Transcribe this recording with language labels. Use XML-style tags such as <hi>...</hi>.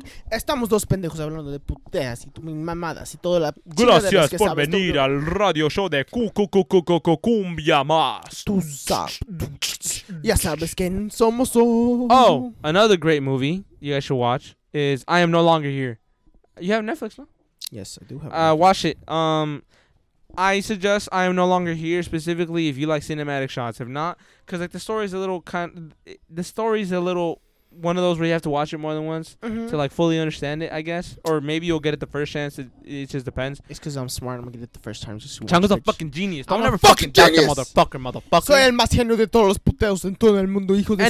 <es>Estamos dos pendejos hablando de puteas y mamadas y toda la... Gracias por venir al radio show de Cumbia más. Tú sabes. Ya sabes quién somos hoy.</es> <en>Oh, another great movie you guys should watch is I Am No Longer Here. You have Netflix, no? Yes, I do have Netflix. Watch it. I suggest I Am No Longer Here specifically if you like cinematic shots. If not, because, like, the story is a little kind of, the story is a little one of those where you have to watch it more than once to, like, fully understand it, I guess. Or maybe you'll get it the first chance. It just depends. It's because I'm smart. I'm gonna get it the first time. Chango's a fucking genius. Don't ever fucking doubt the motherfucker.</en> <es>Soy el más genio de todos los puteos en todo el mundo, hijo de</es>